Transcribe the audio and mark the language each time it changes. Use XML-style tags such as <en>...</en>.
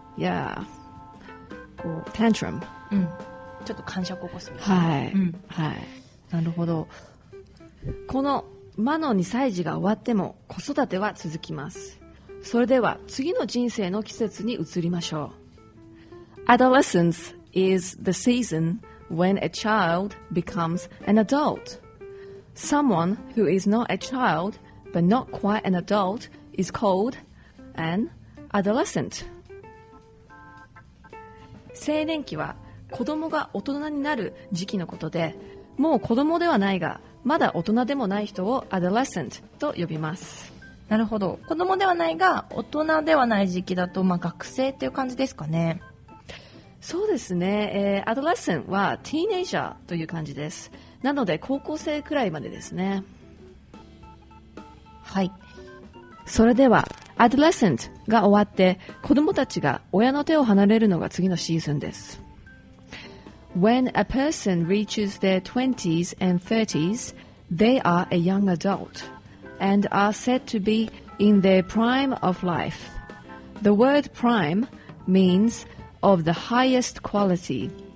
<en>Yeah, tantrum、</en> <ja>うん、ちょっと感触を起こすみたいな、はい、うん、はい、なるほど。この魔の2歳児が終わっても子育ては続きます。それでは次の人生の季節に移りましょう。</ja> <en>Adolescence is the season when a child becomes an adult. Someone who is not a child but not quite an adult is called an adolescent.</en> <ja>青年期は子供が大人になる時期のことで、もう子供ではないがまだ大人でもない人をアドレッセントと呼びます。なるほど。子供ではないが大人ではない時期だと、まあ、学生という感じですかね。そうですね、アドレッセンはティーネイジャーという感じです。なので高校生くらいまでですね。はい。それではアドレッセントが終わって子供たちが親の手を離れるのが次のシーズンです。</ja> <en>When a person reaches their 20s and 30s they are a young adult and are said to be in their prime of life. The word prime means of the highest quality.</en>